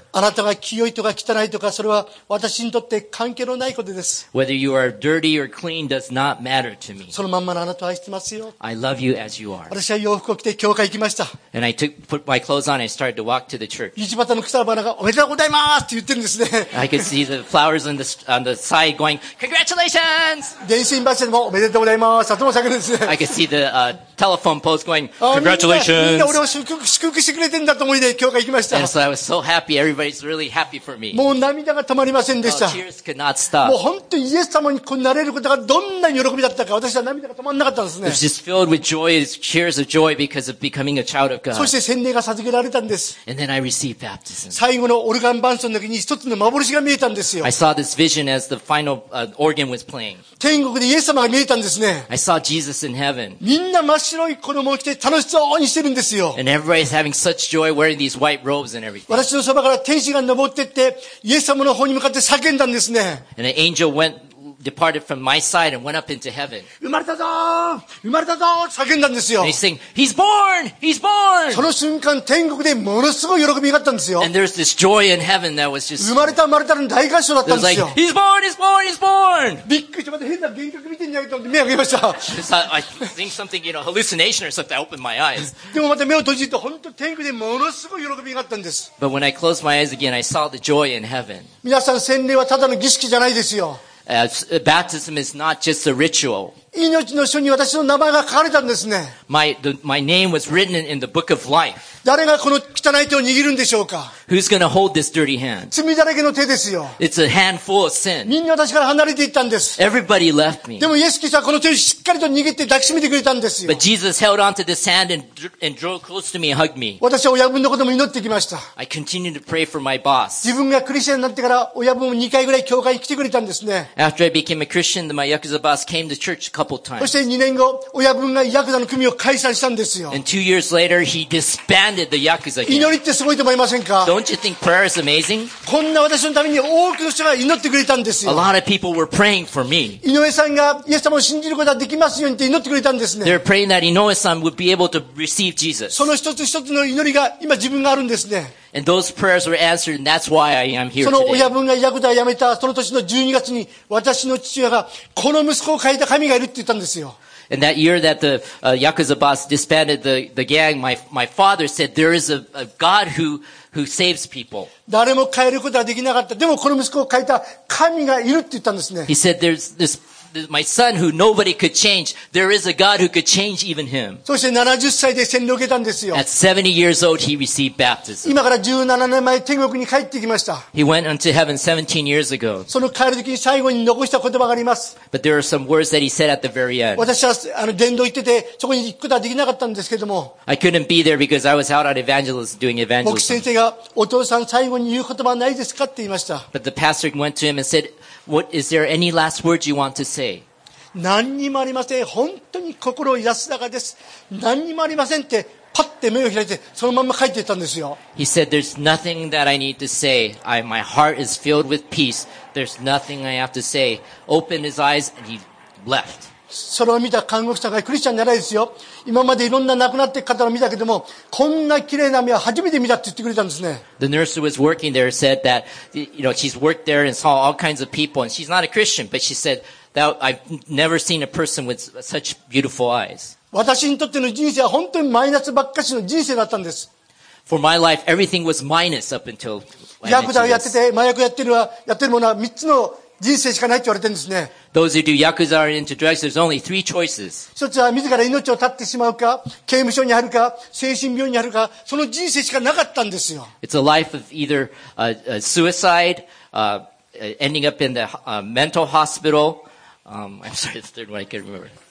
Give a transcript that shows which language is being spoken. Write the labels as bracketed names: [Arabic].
[Japanese] あなたが清いとか汚いとかそれは私にとって関係のないことです。 [English] Whether you are dirty or clean does not matter to me. [Japanese] そのまんまのあなたを愛してますよ。 [English] I love you as you are. [Japanese] 私は洋服を着て教会行きました。 [English] And I took, put my clothes on and started to walk to the church. [Japanese] 道端の草花がおめでとうございますって言ってるんですね。 [English] I could see the flowers on the side going, congratulations! [Japanese] 電信柱もおめでとうございます。頭下げるんですね。 [English] I could see the, telephone poles going, congratulations! [Japanese] みんな俺を祝福してくれてんだと思いで教会行きました。 [English] And so I was so happy. Everybody's really happy for me. [Japanese] もう涙が止まりませんでした。 [English] Tears could not stop. [Japanese] もう本当にイエス様にこうなれることがどんなに喜びだったか、私は涙が止まらなかったんですね。 [English] It was just filled with joy, tears of joy because of becoming a child of God. [Japanese] そして洗礼が授けられたんです。 [English] And then I received baptism. [Japanese] 最後のオルガン伴奏の時に一つの幻が見えたんですよ。 [English] I saw this vision as the final, organ was playing. [Japanese] 天国でイエス様が見えたんですね。 [English] I saw Jesus in heaven. [Japanese] みんな真っ白い衣を着て楽しそうにしてるんですよ。 [English] And everybody's having such joy wearing these white robes and everything. [Japanese] 私のそばから天使が登ってってイエス様の方に向かって叫んだんですね。 [English] And an angel went, departed from my side and went up into heaven. [Japanese] 生まれたぞ、生まれたぞ、叫んだんですよ。 [English] And he's saying, he's born, he's born. [Japanese] その瞬間天国でものすごい喜びがあったんですよ。 [English] And there's this joy in heaven that was just [Japanese] 生まれたの大合唱だったんですよ。 [English] It was like, he's born, he's born, he's born. [Japanese] びっくりして、また変な幻覚見てんじゃないと思って目を開けました。 [English] I think something, you know, hallucination or something, I opened my eyes. [Japanese] でもまた目を閉じると本当天国でものすごい喜びがあったんです。 [English] But when I closed my eyes again, I saw the joy in heaven. [Japanese] 皆さん洗礼はただの儀式じゃないですよ。 [English] Baptism is not just a ritual. [Japanese] 命の書に私の名前が書かれたんですね。 [English] My name was written in the book of life. [Japanese] 誰がこの汚い手を握るんでしょうか。 [English] Who's going to hold this dirty hand? [Japanese] 罪だらけの手ですよ。 [English] It's a handful of sin. [Japanese] みんな私から離れていったんです。 [English] Everybody left me. [Japanese] でもイエス・キリストはこの手をしっかりと握って抱きしめてくれたんですよ。 [English] But Jesus held onto this hand and drew close to me and hugged me. [Japanese] 私は親分のことも祈ってきました。 [English] I continued to pray for my boss. [Japanese] 自分がクリスチャンになってから親分も2回ぐらい教会に来てくれたんですね。 [English] After I became a Christian, my Yakuza boss came to church a couple times. [Japanese] そして2年後、親分がヤクザの組を解散したんですよ。 [English] And 2 years later, he disbanded the Yakuza gang. [Japanese] 祈りってすごいと思いませんか？ [English] Don't you think prayer is amazing? [Japanese] こんな私のために多くの人が祈ってくれたんですよ。 [English] A lot of people were praying for me. [Japanese] 井上さんがイエス様を信じることができますようにって祈ってくれたんですね。 [English] They're praying that 井上さん would be able to receive Jesus. [Japanese] その一つ一つの祈りが今自分があるんですね。 [English] And those prayers were answered, and that's why I am here [Japanese] その親分がヤクザを辞めたその年の12月に私の父親がこの息子を変えた神がいるって言ったんですよ。 [English] And that year that the, Yakuza boss disbanded the gang, my father said, there is a God who saves people. [Japanese] 誰も変えることができなかった。でもこの息子を変えた神がいるって言ったんですね。 [English] He said, there's this, my son who nobody could change. There is a God who could change even him. [Japanese] そして70歳で洗礼を受けたんですよ。 [English] At 70 years old, he received baptism. [Japanese] 今から17年前、天国に帰ってきました。 [English] He went unto heaven 17 years ago. [Japanese] その帰る時に最後に残した言葉があります。 [English] But there are some words that he said at the very end. [Japanese] 私は、伝道行ってて、そこに行くことはできなかったんですけども。 [English] I couldn't be there because I was out on evangelism, doing evangelism. [Japanese] 牧師先生が、お父さん最後に言う言葉はないですかって言いました。 [English] But the pastor went to him and said,What, is there any last words you want to say? [Japanese] 何にもありません。本当に心安らかです。何にもありませんって、パッて目を開いて、そのまま帰っていったんですよ。 [English] He said, there's nothing that I need to say. My heart is filled with peace. There's nothing I have to say. Opened his eyes and he left. [Japanese] それを見た看護師さんがクリスチャンじゃないですよ。今までいろんな亡くなっている方を見たけども、こんな綺麗な目は初めて見たって言ってくれたんですね。 [English] The nurse who was working there said that, you know, she's worked there and saw all kinds of people, and she's not a Christian, but she said that I've never seen a person with such beautiful eyes. [Japanese] 私にとっての人生は本当にマイナスばっかしの人生だったんです。 [English] For my life, everything was minus up until. [Japanese] ヤクザをやってて、麻薬やってるものは三つの人生しかないって言われてるんですね。 [English] Those who do yakuza are into drugs, there's only three choices. [Japanese] 一つは自ら命を絶ってしまうか、刑務所に入るか、精神病院に入るか、その人生しかなかったんですよ。 [English] It's a life of either suicide, ending up in the mental hospital. I'm sorry, the third one I can't remember.